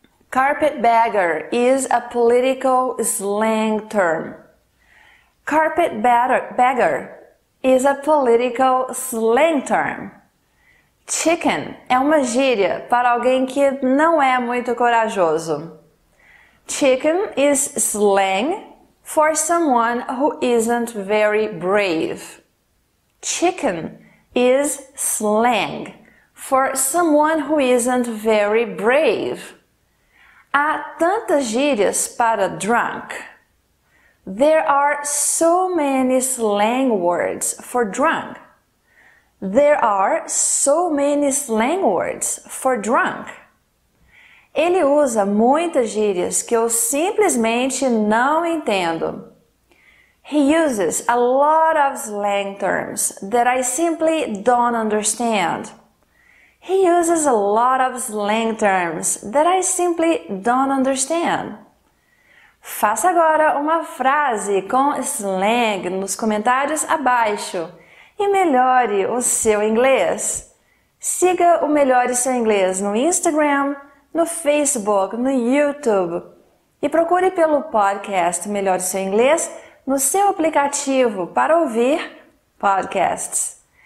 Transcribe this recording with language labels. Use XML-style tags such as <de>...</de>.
<en>Carpetbagger is a political slang term. Carpetbagger is a political slang term.</en> <pt>Chicken é uma gíria para alguém que não é muito corajoso.</pt> <en>Chicken is slang for someone who isn't very brave. Chicken is slang for someone who isn't very brave.</en> <pt>Há tantas gírias para</pt> <en>drunk. There are so many slang words for drunk. There are so many slang words for drunk.</en> <pt>Ele usa muitas gírias que eu simplesmente não entendo.</pt> <en>He uses a lot of slang terms that I simply don't understand. He uses a lot of slang terms that I simply don't understand.</en> <pt>Faça agora uma frase com slang nos comentários abaixo. E melhore o seu inglês. Siga o Melhore Seu Inglês no Instagram, no Facebook, no YouTube. E procure pelo podcast Melhore Seu Inglês no seu aplicativo para ouvir podcasts.</pt>